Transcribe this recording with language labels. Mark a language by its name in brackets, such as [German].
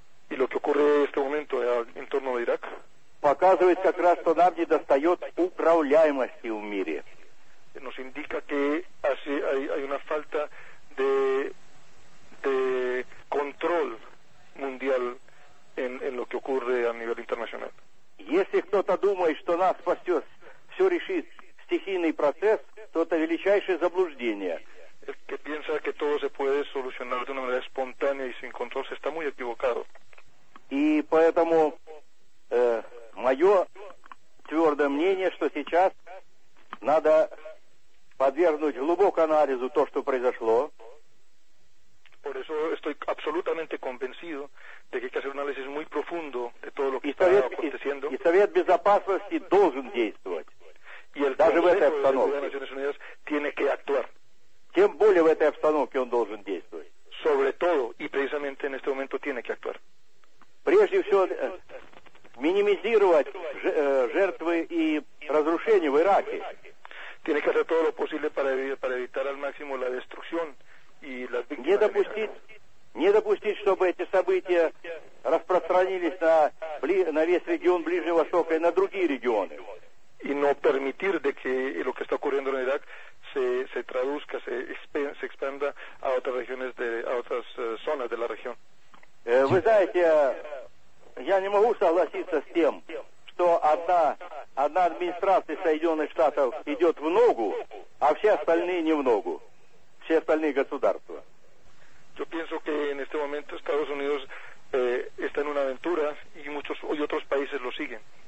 [Spanish] и lo que ocurre en este momento en torno de Irak, [Russian] показывает как раз, что нам не достает управляемости в мире. [Spanish] Nos indica que hay una falta de control mundial. En lo que ocurre a nivel internacional. [Russian] Если кто-то думает, что нас спасет, все решит стихийный процесс, то это величайшее заблуждение. [Spanish] Que piensa que todo se puede solucionar de una manera espontánea y sin control, se está muy equivocado. [Russian] И поэтому мое твердое мнение, что сейчас надо подвергнуть глубокому анализу то, что произошло. [Spanish] Por eso estoy absolutamente convencido de que hay que hacer un análisis muy profundo de todo lo que está aconteciendo. [Russian] Y Совет Безопасности должен действовать. [Spanish] Y el Consejo de Naciones Unidas tiene que actuar. [Russian] Тем более в этой обстановке он должен действовать. [Spanish] Sobre todo y precisamente en este momento tiene que actuar. [Russian] Прежде всего, минимизировать жертвы и разрушения в Ираке. [Spanish] Tiene que hacer todo lo posible para evitar al máximo la destrucción. [Russian] Не допустить, чтобы эти события распространились на весь регион Ближнего Востока и на другие регионы. И не [Spanish] permitir de que lo que está ocurriendo en Irak se traduzca, se expanda a otras regiones de a otras zonas de la región. [Russian] Вы знаете, я не могу согласиться с тем, что одна администрация Соединенных Штатов идет в ногу, а все остальные не в ногу. Все остальные государства. [Spanish] Yo pienso que en este momento Estados Unidos está en una aventura y muchos y otros países lo siguen.